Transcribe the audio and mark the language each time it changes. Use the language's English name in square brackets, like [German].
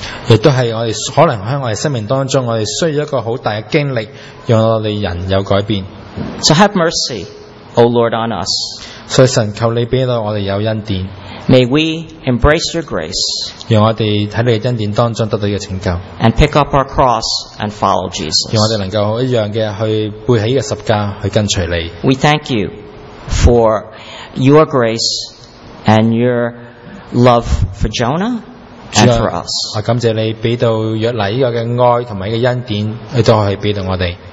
[Chinese] 也都是我們可能在我們生命當中,我們需要一個很大的經歷,讓我們人有改變。 [English] So have mercy, O Lord, on us. [Chinese] 所以神求你給我們有恩典。 [English] May we embrace your grace. [Chinese] 讓我們在你的恩典當中得到一個拯救。 [English] And pick up our cross and follow Jesus. [Chinese] 讓我們能夠一樣的去背起一個十架去跟隨你。 [English] We thank you for your grace and your love for Jonah and for us. [Chinese] 我感謝你給到約拿這個愛和恩典去給到我們。